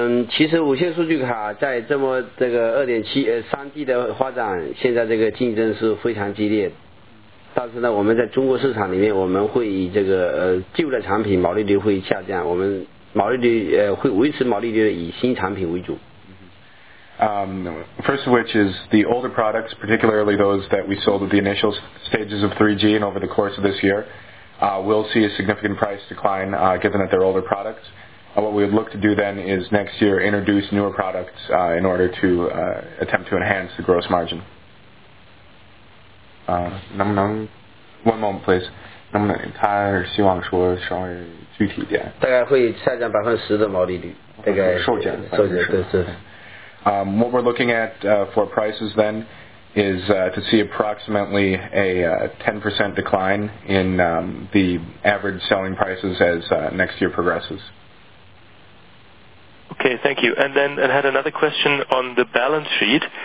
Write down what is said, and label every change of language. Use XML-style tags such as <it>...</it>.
<zh>其实无线数据卡在这么这个3G 的发展，现在这个竞争是非常激烈。但是呢，我们在中国市场里面，我们会以这个旧的产品毛利率会下降，我们毛利率会维持毛利率以新产品为主。</zh> <en>First of which is the older products, particularly those that we sold at the initial stages of 3G and over the course of this year, will see a significant price decline given that they're older products. What we would look to do then is next year introduce newer products in order to attempt to enhance the gross margin. One moment, please.</en> <zh>能不能他希望说稍微具体一点？大概会下降10%的毛利率，大概售价对是。</zh> <en>What we're looking at for prices then is to see approximately a 10% decline in the average selling prices as next year progresses. Okay, thank you. And then I had another question on the balance sheet.</en>